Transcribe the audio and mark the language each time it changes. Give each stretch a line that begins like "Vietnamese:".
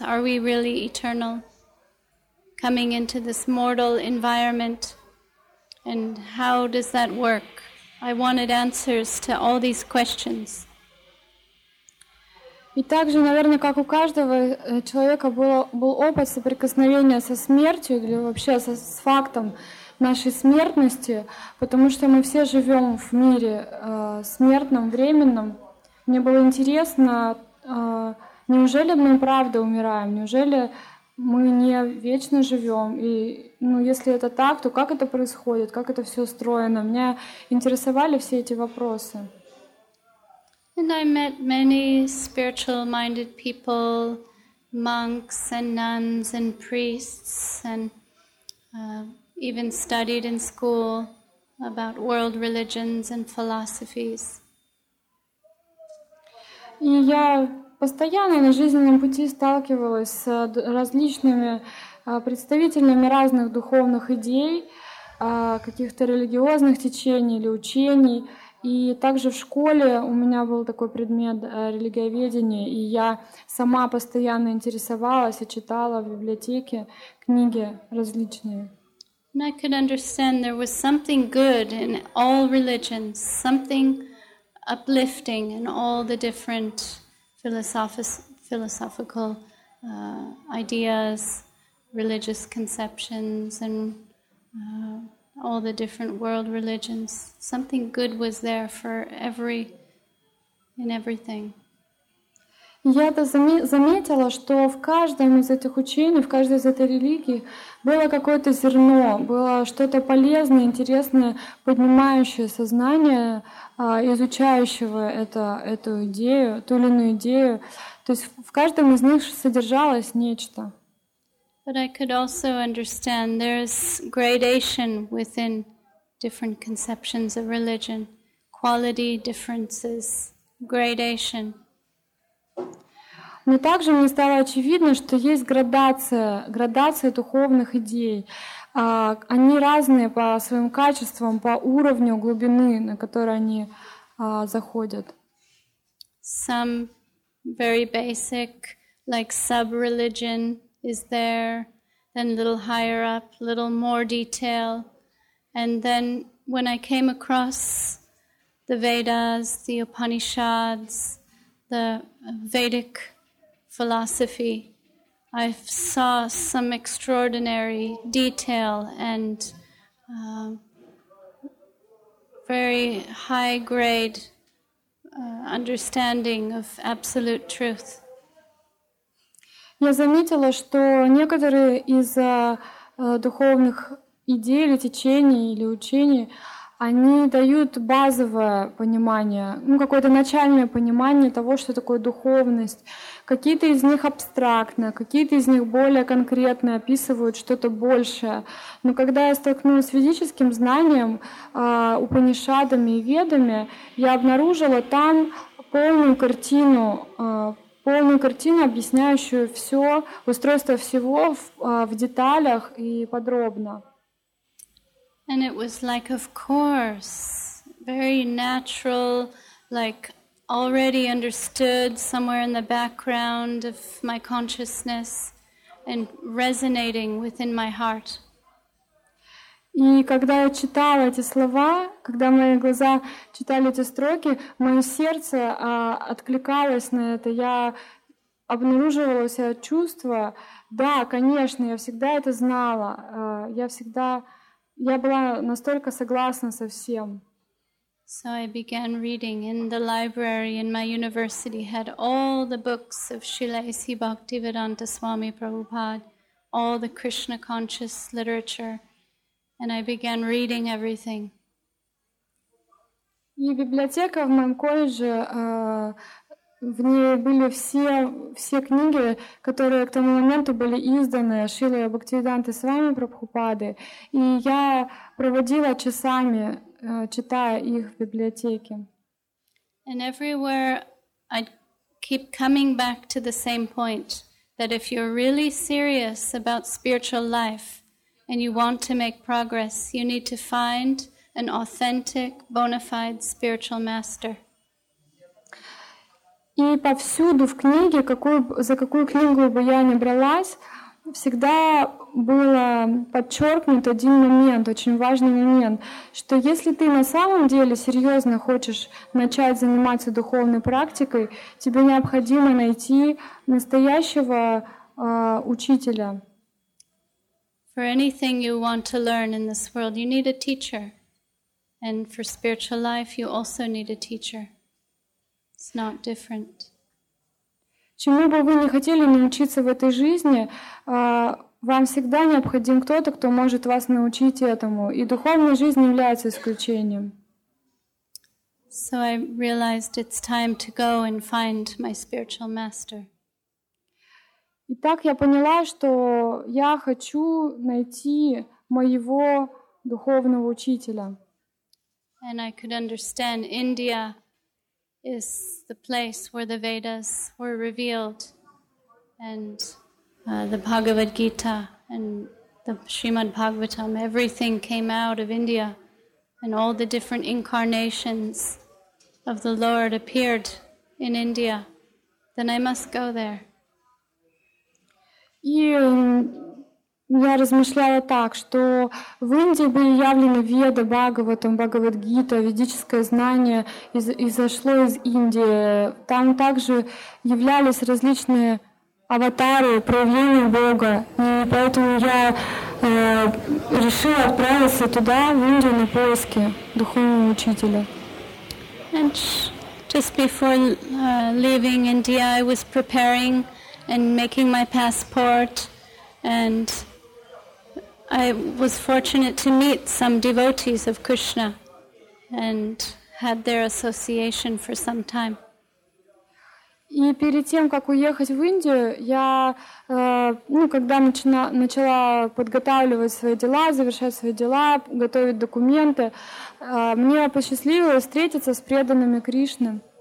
English: Are we really eternal? Coming into this mortal environment, and how does that work? I wanted answers to all these questions.
Russian: И также, наверное, как у каждого человека был опыт соприкосновения со смертью или вообще с фактом нашей смертности, потому что мы все живем в мире смертном, временном. Мне было интересно, неужели мы правда умираем, неужели мы не вечно живем, и ну, если это так, то как это происходит, как это все устроено? Меня интересовали все эти вопросы.
English: And I met many spiritual-minded people, monks and nuns and priests, and even studied in school about world religions and philosophies.
Russian: И я постоянно на жизненном пути сталкивалась с различными представителями разных духовных идей, каких-то религиозных течений или учений. И также в школе у меня был такой предмет религиоведения, и я сама постоянно интересовалась и читала в библиотеке книги различные.
English: And I could understand there was something good in all religions, something uplifting in all the different philosophical ideas, religious conceptions and all the different world religions. Something good was there for every in everything.
Russian: Я заметила, что в каждом из этих учений, в каждой из этой религии было какое-то зерно, было что-то полезное, интересное, поднимающее сознание, изучающего эту идею, ту или иную идею. То есть в каждом из них содержалось нечто.
English: But I could also understand there's gradation within different conceptions of religion, quality differences, gradation.
Russian: Но также мне стало очевидно, что есть градация духовных идей. Они разные по своим качествам, по уровню глубины, на которые они заходят.
English: Some very basic, like sub-religion is there, then a little higher up, a little more detail. And then when I came across the Vedas, the Upanishads, the Vedic philosophy, I saw some extraordinary detail and very high grade understanding of absolute truth.
Russian: Я заметила, что некоторые из духовных идей или течений или учений, они дают базовое понимание, ну какое-то начальное понимание того, что такое духовность. Какие-то из них абстрактно, какие-то из них более конкретно описывают что-то большее. Но когда я столкнулась с физическим знанием, упанишадами и ведами, я обнаружила там полную картину, объясняющую все устройство всего в деталях и подробно.
English: And it was like, of course, very natural, like already understood somewhere in the background of my consciousness and resonating within my heart.
Russian: И когда я читала эти слова, когда мои глаза читали эти строки, мое сердце откликалось на это. Я обнаруживала у себя чувство. Да, конечно, я всегда это знала. Я была настолько согласна со всем.
English: So I began reading in the library in my university had all the books of Srila A.C. Bhaktivedanta Swami Prabhupada, all the Krishna conscious literature, and I began reading everything.
Russian: И библиотека в моем колледже, в ней были все книги, которые к тому моменту были изданы Шрилой Бхактивиданты Свами Прабхупады, и я проводила часами, читая их в библиотеке.
English: And everywhere I keep coming back to the same point, that if you're really serious about spiritual life and you want to make progress, you need to find an authentic, bona fide spiritual master.
Russian: И повсюду в книге, за какую книгу бы я ни бралась, всегда было подчеркнут один момент, очень важный момент, что если ты на самом деле серьезно хочешь начать заниматься духовной практикой, тебе необходимо найти настоящего учителя.
English: For anything you want to learn in this world, you need a teacher. And for spiritual life, you also need a teacher. It's not different.
Russian: Чему бы вы ни хотели научиться в этой жизни, вам всегда необходим кто-то, кто может вас научить этому. И духовная жизнь не является исключением.
English: So I realized it's time to go and find my spiritual master.
Russian: Итак, я поняла, что я хочу найти моего духовного учителя.
English: And I could understand India is the place where the Vedas were revealed and the Bhagavad Gita and the Srimad Bhagavatam, everything came out of India and all the different incarnations of the Lord appeared in India. Then I must go there.
Russian: Я размышляла так, что в Индии были явлены Веды, Бхагаватам, Бхагавадгита, ведическое знание изошло из Индии. Там также являлись различные аватары, проявления Бога. И поэтому я решила отправиться туда, в Индию, на поиски духовного учителя.
English: And just before leaving India, I was preparing and making my passport, and I was fortunate to meet some devotees of Krishna and had their association for some time.
Russian: И перед тем, как уехать в Индию, я, когда начала подготавливать свои дела, завершать свои дела, готовить документы, мне посчастливилось встретиться с преданными Кришны.